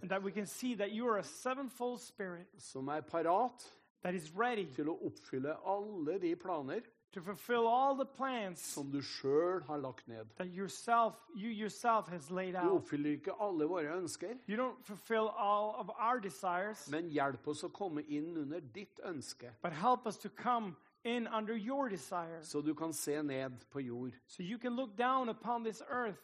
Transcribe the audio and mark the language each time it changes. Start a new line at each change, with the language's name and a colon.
English: And that we can see that you are a sevenfold spirit.
Norwegian: Som parat.
English: That is ready.
Norwegian: Til å oppfylle alle de planer.
English: To fulfill all the plans.
Norwegian: Som du selv har lagt ned.
English: That you yourself has laid out.
Norwegian: Du oppfyller ikke alle våre ønsker.
English: You don't fulfill all of our desires.
Norwegian: Men hjelp oss å komme inn under ditt ønske.
English: But help us to come in under your desire.
Norwegian: Så du kan se ned på jord. So you can look down upon this earth.